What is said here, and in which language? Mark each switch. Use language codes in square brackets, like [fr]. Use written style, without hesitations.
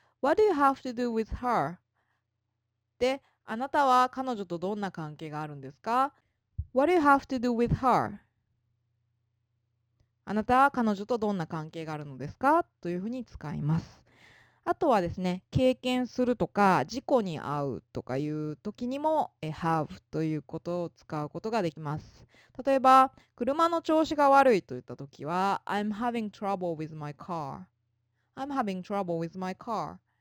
[en] What do you have to do with her? [ja] で、あなたは彼女とどんな関係があるんですか。 [en] What do you have to do with her? [ja] あなたは彼女とどんな関係があるのですかというふうに使います。あとはですね、経験するとか事故に遭うとかいう時にも [en] have [ja] ということを使うことができます。例えば、車の調子が悪いといった時は [en] I'm having trouble with my car、 [ja] I'm having trouble with my car、